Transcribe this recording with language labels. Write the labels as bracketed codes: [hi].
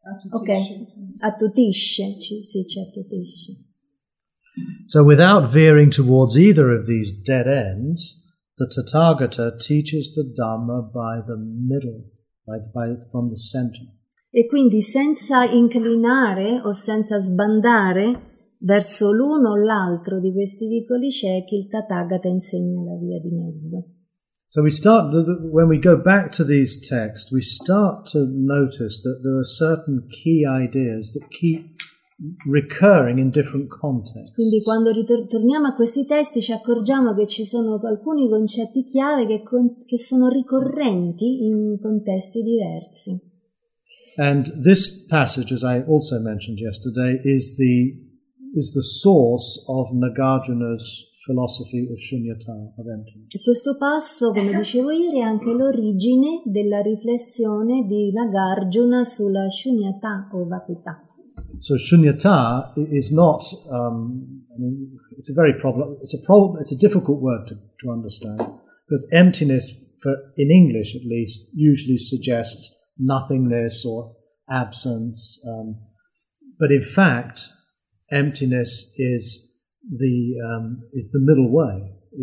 [it] Okay, attutisce, ci attutisce. [en] So without veering towards either of these dead ends, the Tathagata teaches the Dhamma by the middle, from the center. [it] E quindi senza inclinare o senza sbandare verso l'uno o l'altro di questi vicoli ciechi, il Tathagata insegna la via di mezzo. [en] So we start, when we go back to these texts, we start to notice that there are certain key ideas that keep recurring in different contexts. [it] Quindi quando torniamo a questi testi ci accorgiamo che ci sono alcuni concetti chiave che sono ricorrenti in contesti diversi. [en] And this passage, as I also mentioned yesterday, is the source of Nagarjuna's philosophy of shunyata, of emptiness. [it] E questo passo, come dicevo ieri, è anche l'origine della riflessione di Nagarjuna sulla shunyata o vacuità. [en] So shunyata is not, it's a difficult word to understand, because emptiness, for in English at least, usually suggests nothingness or absence, but in fact emptiness is the middle way.